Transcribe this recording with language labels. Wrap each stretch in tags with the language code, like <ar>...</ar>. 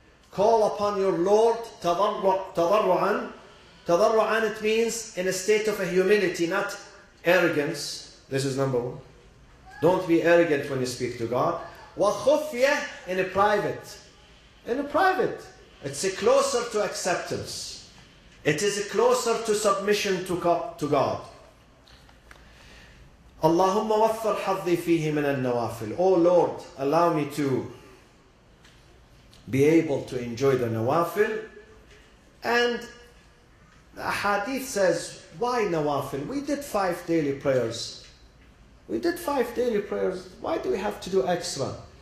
<en>Call upon your Lord تضرعا. تضرعا, it means in a state of humility, not arrogance. This is number one. Don't be arrogant when you speak to God. وخفيا, in a private. In a private. It's a closer to acceptance. It is a closer to submission to God.</en> <ar>اللهم وفر حظي فيه من النوافل.</ar> <en>Oh Lord, allow me to be able to enjoy the nawafil. And the hadith says, why nawafil? We did 5 daily prayers. We did 5 daily prayers. Why do we have to do extra?</en>